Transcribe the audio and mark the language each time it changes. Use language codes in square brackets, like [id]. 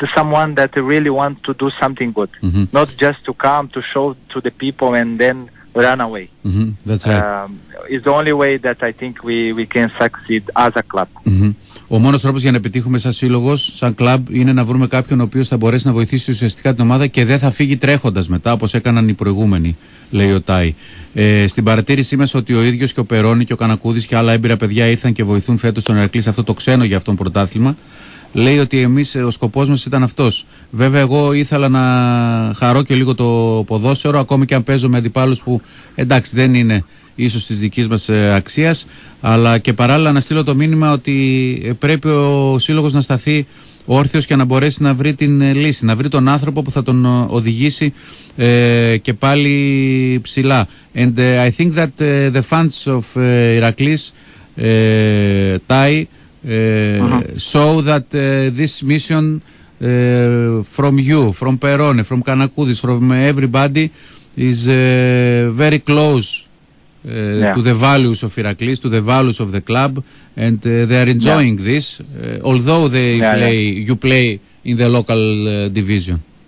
[en] need someone that really want to do something good, mm-hmm. not just to come to show to the people and then run away. Mm-hmm. That's right. It's the only way that I think we can succeed as a club. Mm-hmm. [el] Ο μόνος τρόπος για να πετύχουμε σαν σύλλογος, σαν club, είναι να βρούμε κάποιον ο οποίος θα μπορέσει να βοηθήσει ουσιαστικά την ομάδα και δεν θα φύγει τρέχοντας μετά, όπως έκαναν οι προηγούμενοι, λέει ο Τάι. Στην παρατήρησή μας ότι ο ίδιος και ο Περόνι και ο Κανακούδης και άλλα έμπειρα παιδιά ήρθαν και βοηθούν φέτος τον Ερακλή σε αυτό το ξένο για αυτόν πρωτάθλημα. Λέει ότι εμείς ο σκοπός μας ήταν αυτός. Βέβαια, εγώ ήθελα να χαρώ και λίγο το ποδόσφαιρο, ακόμη και αν παίζω με αντιπάλους που εντάξει δεν είναι ίσως της δικής μας αξίας, αλλά και παράλληλα να στείλω το μήνυμα ότι πρέπει ο σύλλογος να σταθεί όρθιος και να μπορέσει να βρει την λύση, να βρει τον άνθρωπο που θα τον οδηγήσει και πάλι ψηλά. [en] And I think that the fans of Heracles, Tai, show that this mission from you, from Perone, from Kanakoudis, from everybody is very close to the values of Heracles, to the values of the club, and they are enjoying this, although they you play in the local division.